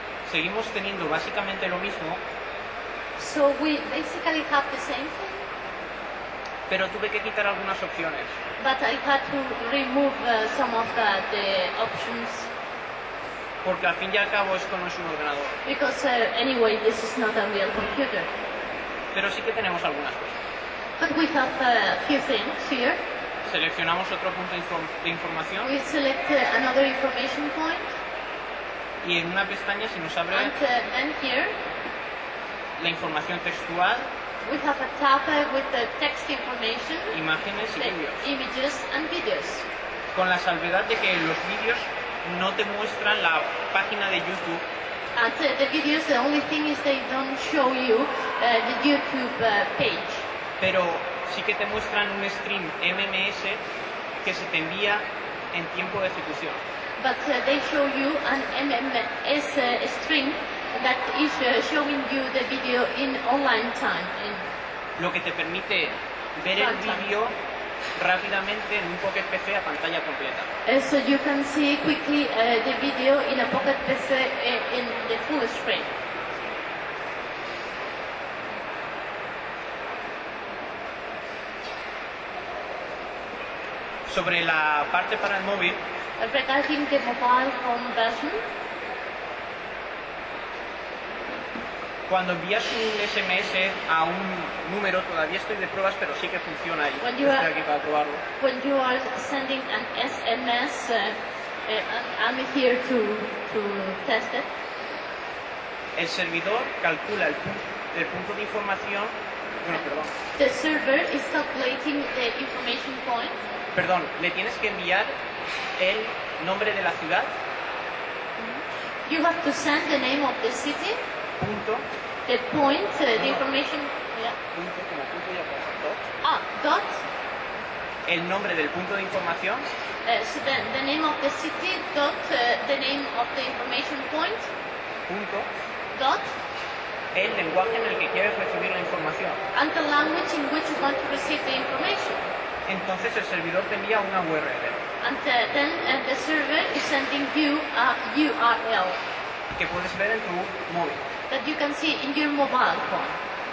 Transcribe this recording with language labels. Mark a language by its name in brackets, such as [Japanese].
[Spanish] Seguimos teniendo básicamente lo mismo. [English] So we basically have the same thing. [Spanish] Pero tuve que quitar algunas opciones. [English] But I had to remove some of the options. [Spanish] Porque al fin y al cabo esto no es un ordenador. [English] Because anyway this is not a real computer. [Spanish] Pero sí que tenemos algunas cosas. [English] But we have a few things here. [Spanish] Seleccionamos otro punto de información. [English] We select another information point. [Spanish] Y en una pestaña se nos abre [English] here, [Spanish] la información textual, [English] we have a tab with the text information, [Spanish] imágenes y vídeos. [English] Images and videos. [Spanish] Con la salvedad de que los vídeos no te muestran la página de YouTube. [English] And the videos, the only thing is they don't show you the YouTube page. [Spanish] Pero sí que te muestran un stream MMS que se te envía en tiempo de ejecución. [English] But they show you an MMS stream that is showing you the video in online time. In [Spanish] lo que te permite ver el video rápidamente en un pocket PC a pantalla completa. [English] So you can see quickly the video in a pocket PC in the full screen. [Spanish] Sobre la parte para el móvil. [English] Regarding the mobile phone version. [Spanish] Cuando envías un SMS a un número, todavía estoy de pruebas, pero sí que funciona y estoy aquí para probarlo. [English] When you are sending an SMS, I'm here to test it. [Spanish] El servidor calcula el punto de información. Bueno, perdón. [English] The server is calculating the information point. [Spanish] Perdón, le tienes que enviar el nombre de la ciudad. [English] You have to send the name of the city. [Spanish] Punto. [English] The point, the information. [Spanish] Punto, como punto y aparte. [English] Dot. [Spanish] El nombre del punto de información. [English] So the name of the city. Dot. The name of the information point. [Spanish] Punto. [English] Dot. [Spanish] El lenguaje en el que quieres recibir la información. [English] And the language in which you want to receive the information. [Spanish] entonces el servidor te envía una URL. [English] And then the server is sending you a URL. [Spanish] Que puedes ver en tu móvil. [English] That you can see in your mobile phone.